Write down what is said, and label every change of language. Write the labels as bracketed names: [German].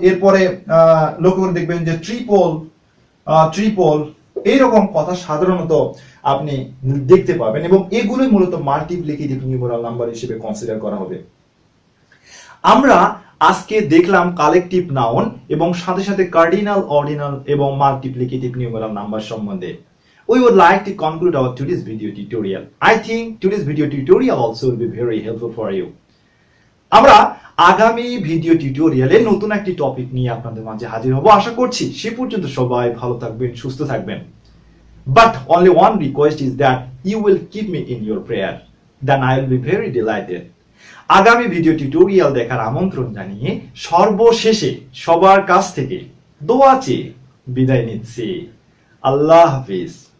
[Bangla] এরপরে লক্ষ্য করে দেখবেন যে ট্রিপল, ট্রিপল, এইরকম কথা সাধারণত আপনি দেখতে পাবেন, এবং এগুলোই মূলত মাল্টিপ্লিকেটিভ নিউমেরাল নাম্বার হিসেবে কনসিডার করা হবে। আমরা আজকে দেখলাম কালেকটিভ নাউন এবং সাথে সাথে কার্ডিনাল, অর্ডিনাল এবং মাল্টিপ্লিকেটিভ নিউমেরাল নাম্বার সম্বন্ধে। [English] We would like to conclude our today's video tutorial. I think today's video tutorial also will be very helpful for you. [Bangla] আমরা আগামী ভিডিও টিউটোরিয়ালে নতুন একটি টপিক নিয়ে আপনাদের মাঝে হাজির হব, আশা করছি। সে পর্যন্ত সবাই ভালো থাকবেন, সুস্থ থাকবেন। [English] But only one request is that you will keep me in your prayer, then I will be very delighted. [Bangla] আগামী ভিডিও টিউটোরিয়াল দেখার আমন্ত্রণ জানিয়ে সর্বশেষে সবার কাছ থেকে দোয়া চেয়ে বিদায় নিচ্ছি। আল্লাহ হাফিজ।